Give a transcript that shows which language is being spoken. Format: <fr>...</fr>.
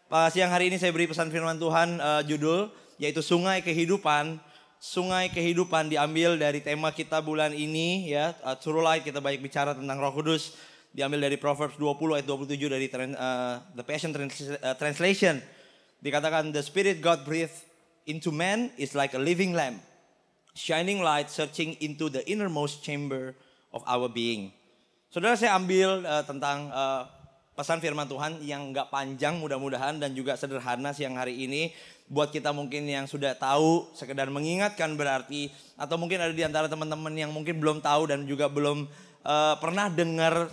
<id>Siang hari ini saya beri pesan firman Tuhan, judul yaitu Sungai Kehidupan. Sungai Kehidupan diambil dari tema kita bulan ini ya, True Light, kita banyak bicara tentang Roh Kudus. Diambil dari Proverbs 20 ayat 27 dari The Passion Translation.</id> <en>Dikatakan, the spirit God breathed into man is like a living lamp, shining light searching into the innermost chamber of our being.</en> <id>Saudara, saya ambil tentang pesan firman Tuhan yang gak panjang mudah-mudahan dan juga sederhana siang hari ini. Buat kita mungkin yang sudah tahu, sekedar mengingatkan berarti. Atau mungkin ada di antara teman-teman yang mungkin belum tahu dan juga belum pernah dengar.</id>